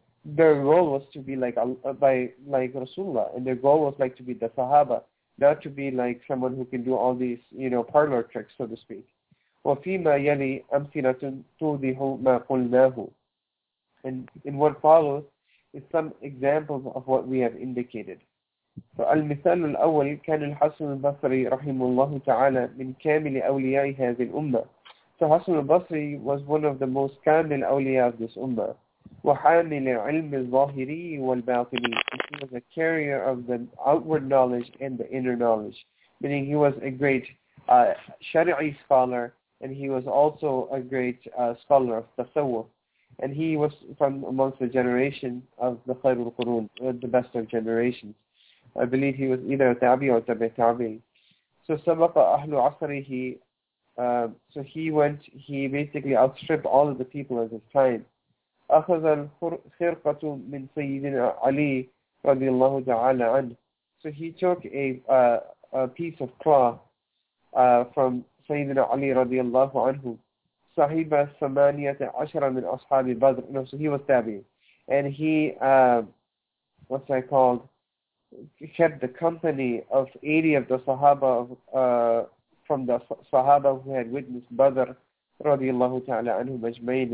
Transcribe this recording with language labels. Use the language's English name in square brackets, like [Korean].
[English] Their role was to be like Rasulullah, and their goal was like to be the Sahaba, not to be like someone who can do all these, you know, parlor tricks, so to speak. [Arabic] وَفِيمَا يَلِي أَمْثِلَةٌ تُوْضِحُ مَا قُلْنَاهُ. [English] And in what follows is some examples of what we have indicated. [Arabic] فالمثال الأول كان الحسن البصري رحمه الله تعالى من كامل أولياء هذه الأمة. [English] So Hasan al-Basri was one of the most kamil awliya of this ummah. [Arabic] وَحَامِلِ عِلْمِ الظَّاهِرِي وَالْبَاطِنِي. [English] He was a carrier of the outward knowledge and the inner knowledge. Meaning he was a great shari'i scholar, and he was also a great scholar of tasawwuf. And he was from amongst the generation of the khairul qurun, the best of generations. I believe he was either a tabi or tabi tabi. [Arabic] So سَبَقَ أَهْلُ عَصَرِهِ. [English] So he basically outstripped all of the people of his time. [Arabic] أخذ الخرقة من سيدنا علي رضي الله تعالى عنه. [English] So he took a piece of cloth from [Arabic] سيدنا علي رضي الله عنه. صحب 18 من أصحاب بدر. [English] No, so he was tabi'in. And he, what's that called? Kept the company of 80 of the Sahaba of, from the Sahaba who had witnessed Badr radiallahu ta'ala anhu majmain.